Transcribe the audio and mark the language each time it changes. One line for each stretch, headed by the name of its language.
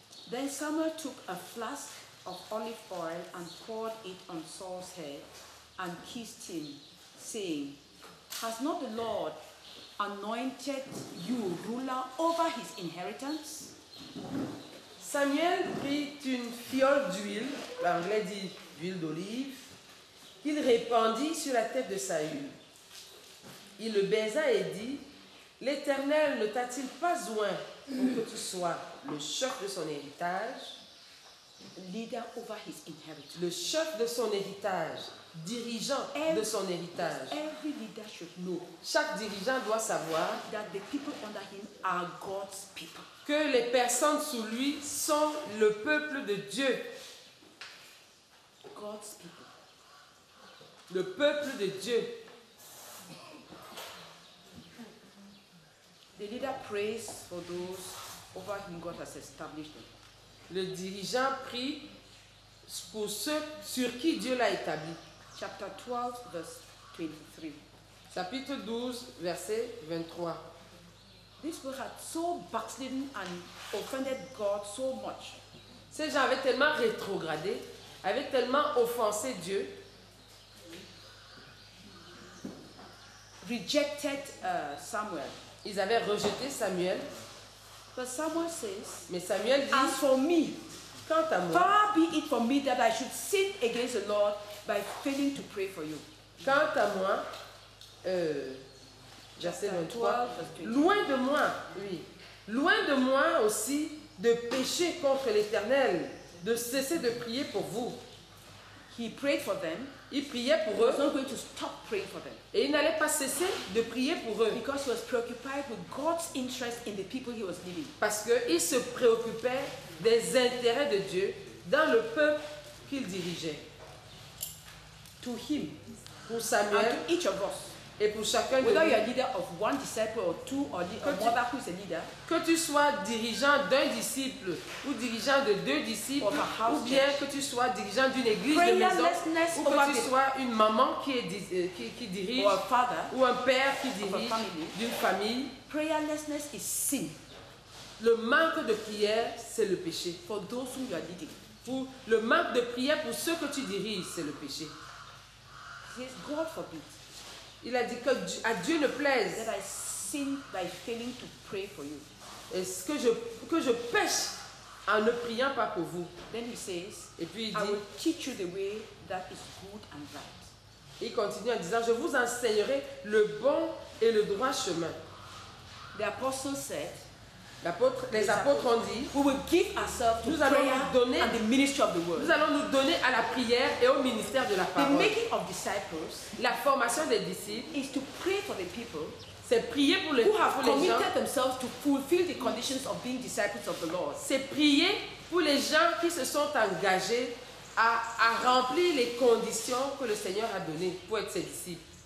English: Then Samuel took a flask of olive oil and poured it on Saul's head and kissed him, saying, has not the Lord anointed you ruler over his inheritance?
French: Samuel prit une fiole d'huile, l'anglais dit d'huile d'olive, qu'il répandit sur la tête de Saül. Il le baisa et dit, « L'Éternel ne t'a-t-il pas oint pour que tu sois le chef de son héritage ?»
English: Leader over his inheritance.
French: Le chef de son héritage, dirigeant de son héritage.
English: Every leader should know.
French: Chaque dirigeant doit savoir
English: that the people under him are God's people.
French: Que les personnes sous lui sont le peuple de Dieu.
English: God's people.
French: Le peuple de Dieu.
English: The leader prays for those over whom God has established them.
French: Le dirigeant prie pour ceux sur qui Dieu l'a établi.
English: Chapter 12, verse 23.
French: Chapitre 12, verset 23.
English: This word had so backslidden and offended God so much.
French: Ces gens avaient tellement rétrogradé, avaient tellement offensé Dieu.
English: Rejected Samuel.
French: Ils avaient rejeté Samuel.
English: But Samuel says,
French: mais Samuel dit,
English: as for me,
French: quant à moi,
English: far be it from me that I should sin against the Lord by failing to pray for you.
French: Quant à moi, verset 23, loin de moi, oui, loin de moi aussi de pécher contre l'Éternel, de cesser de prier pour vous.
English: He prayed for them.
French: Il priait pour eux.
English: He was not going to stop praying for them.
French: Et il n'allait pas cesser de prier pour eux.
English: Because he was preoccupied with God's interest in the people he was leading.
French: Parce que il se préoccupait des intérêts de Dieu dans le peuple qu'il dirigeait.
English: To him,
French: pour Samuel,
English: and to each of us,
French: et pour chacun
English: whether
French: de nous,
English: you are leader of one disciple or two or whatever who is a leader,
French: que tu sois dirigeant d'un disciple ou dirigeant de deux disciples,
English: of a house
French: ou bien
English: church,
French: que tu sois dirigeant d'une église de maison, ou que tu sois une maman qui dirige,
English: or a father,
French: ou un père qui dirige,
English: of a family,
French: d'une famille,
English: prayerlessness is sin.
French: Le manque de prière, c'est le péché.
English: For those whom you are leading,
French: pour le manque de prière pour ceux que tu diriges, c'est le péché.
English: Yes, God forbid.
French: Il a dit que à Dieu ne plaise
English: that I sin by failing to pray for you.
French: Est-ce que je pêche en ne priant pas pour vous?
English: Then he says,
French: et puis il
English: I
French: dit,
English: will teach you the way that is good and right.
French: Il continue en disant, je vous enseignerai le bon et le droit chemin.
English: The apostle said,
French: les apôtres ont dit,
English: we will give ourselves to prayer
French: donner,
English: and the ministry of the word.
French: Nous allons nous donner à la prière et au ministère de la parole.
English: The making of disciples,
French: la formation des disciples,
English: is to pray for the people,
French: c'est prier pour les,
English: who have
French: pour les
English: committed
French: gens,
English: themselves to fulfill the conditions of being disciples of the Lord.
French: C'est prier pour les gens qui se sont engagés à remplir les conditions que le Seigneur a données pour être ses disciples.